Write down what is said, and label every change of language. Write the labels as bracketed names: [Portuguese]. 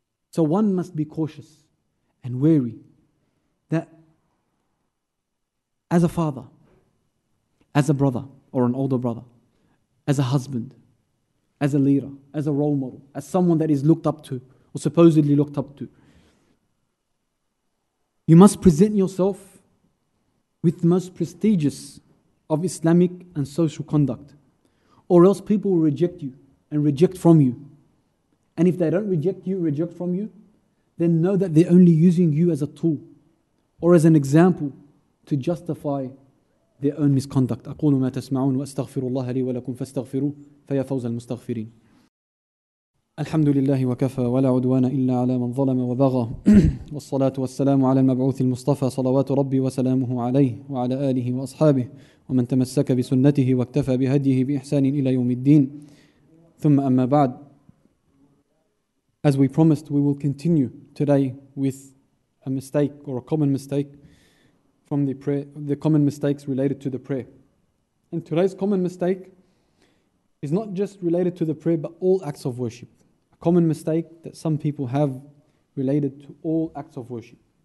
[English] So one must be cautious and wary that as a father, as a brother or an older brother, as a husband, as a leader, as a role model, as someone that is looked up to or supposedly looked up to, you must present yourself with the most prestigious of Islamic and social conduct, or else people will reject you and reject from you. And if they don't reject you, reject from you, then know that they're only using you as a tool or as an example to justify their own misconduct. [Arabic] أَقُولُ مَا تَسْمَعُونَ وَأَسْتَغْفِرُ اللَّهَ لِي وَلَكُمْ فَاسْتَغْفِرُوا فَيَا فَوْزَ الْمُسْتَغْفِرِينَ الحمد لله وكفى ولا عدوان إلا على من ظلم وبغى والصلاة والسلام على المبعوث المصطفى صلوات ربي وسلامه عليه وعلى آله وأصحابه ومن تمسك بسنته واكتفى بهديه بإحسان إلى يوم الدين ثم أما بعد. [English] As we promised, we will continue today with a mistake or a common mistake from the prayer, the common mistakes related to the prayer. And today's common mistake is not just related to the prayer, but all acts of worship. A common mistake that some people have related to all acts of worship.